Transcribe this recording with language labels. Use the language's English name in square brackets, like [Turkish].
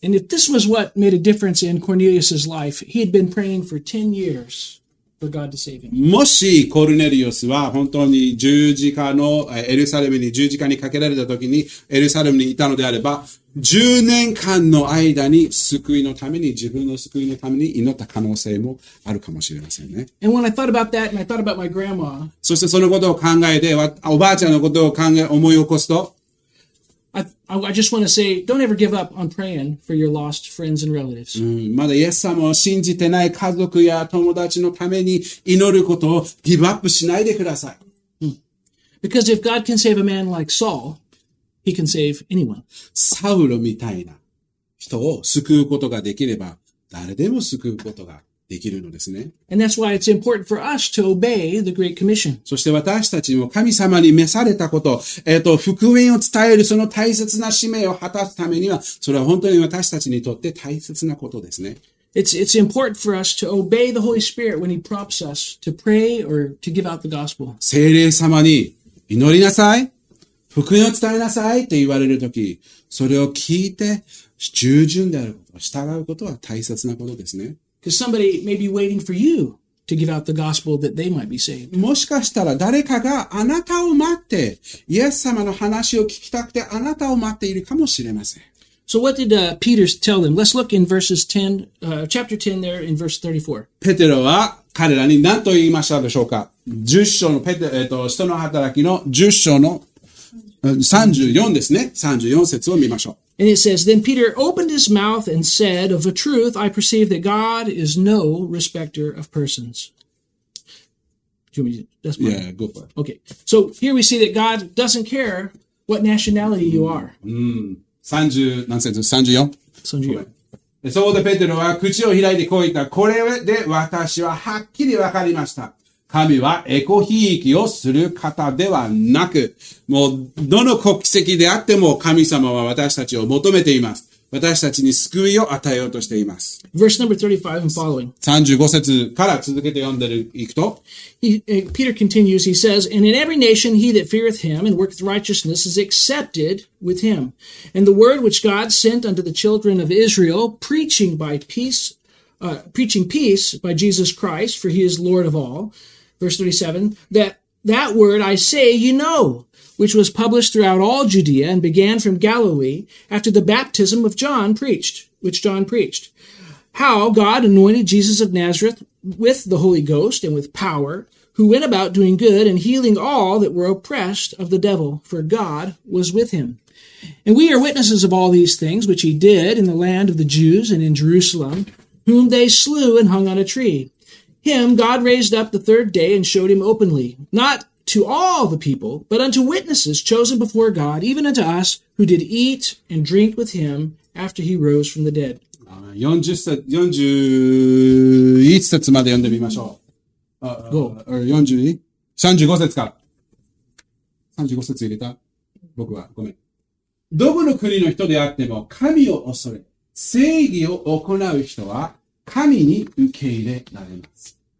[English] And if this was what made a difference in Cornelius's life, he had been praying for 10 years. God to save him. [Japanese] もしコルネリオスは本当に十字架のエルサレムに十字架にかけられた時にエルサレムにいたのであれば10年間の間に救いのために自分の救いのために祈った可能性もあるかもしれませんね。 [English] And when I thought about that and I thought about my grandma, [Japanese] そしてそのことを考えておばあちゃんのことを思い起こすと [English] I just want to say, don't ever give up on praying for your lost friends and relatives. [Japanese] まだイエス様を信じてない家族や友達のために祈ることをギブアップしないでください。 [English] Because if God can save a man like Saul, he can save anyone. [Japanese] サウロみたいな人を救うことができれば、誰でも救うことができるのですね。 [English] And that's why it's important for us to obey the Great Commission. [Japanese] そして私たちも神様に召されたこと、福音を伝えるその大切な使命を果たすためには、それは本当に私たちにとって大切なことですね。 [English] It's important for us to obey the Holy Spirit when He prompts us to pray or to give out the gospel. [Japanese] 聖霊様に祈りなさい、福音を伝えなさいって言われるとき、それを聞いて従順であること、従うことは大切なことですね。 [English] Because somebody may be waiting for you to give out the gospel that they might be saved. [Japanese] もしかしたら誰かがあなたを待って、イエス様の話を聞きたくてあなたを待っているかもしれません。 [English] So what did Peter tell them? Let's look in verses 10, chapter 10 there in verse 34. [Japanese] ペテロは彼らに何と言いましたでしょうか ?10 章のペテ、使徒の働きの10章の34ですね。 34節を見ましょう。 [English] And it says, Then Peter opened his mouth and said, Of a truth, I perceive that God is no respecter of persons. Do you want me to, that's mine. Yeah, go for it. Okay. So here we see that God doesn't care what nationality you are. So [Japanese] でペテロは口を開いてこう言った。これで私ははっきりわかりました。神はエコひいきをする方ではなく、もうどの国籍であっても神様は私たちを求めています。私たちに救いを与えようとしています。 [English] Verse number 35 and following. 35 [Japanese] 節から続けて読んでいくと。 [English] Peter continues, he says, And in every nation he that feareth him and worketh righteousness is accepted with him. And the word which God sent unto the children of Israel, preaching peace by Jesus Christ, for he is Lord of all. Verse 37, that word I say you know. Which was published throughout all Judea and began from Galilee after the baptism of John preached, which John preached. How God anointed Jesus of Nazareth with the Holy Ghost and with power, who went about doing good and healing all that were oppressed of the devil, for God was with him. And we are witnesses of all these things which he did in the land of the Jews and in Jerusalem, whom they slew and hung on a tree. Him God raised up the third day and showed him openly, not to all the people, but unto witnesses chosen before God, even unto us, who did eat and drink with him after he rose from the dead. [Japanese] 41節まで読んでみましょう。 35節か。35節入れた。僕は、ごめん。どこの国の人であっても、神を恐れ、正義を行う人は、神に受け入れられます。